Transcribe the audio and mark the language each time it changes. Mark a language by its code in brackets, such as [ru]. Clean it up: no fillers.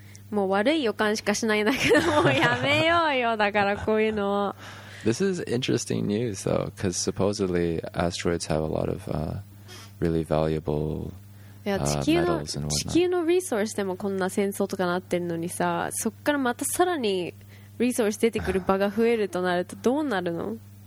[ja] もう悪い予感しかしないんだけど、もうやめようよ、だからこういうのを。 [en] This is interesting news, though, because supposedly asteroids have a lot of really valuable metals and whatnot. [ja] 地球のリソースでもこんな戦争とかなってるのにさ、そっからまたさらにリソース出てくる場が増えるとなるとどうなるの？